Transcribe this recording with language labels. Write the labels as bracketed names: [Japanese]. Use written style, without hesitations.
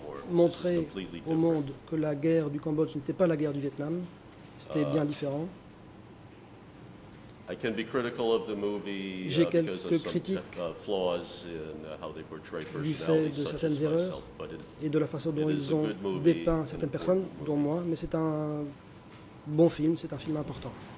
[French] Montrer au monde que la guerre du Cambodge n'était pas la guerre du Vietnam, c'était bien différent. [English] I can be critical of the movie because of some flaws in how they portray personalities such as myself, but it is a good movie. [French] Ont dépeint certaines personnes, dont moi, mais c'est un bon film, c'est un film important.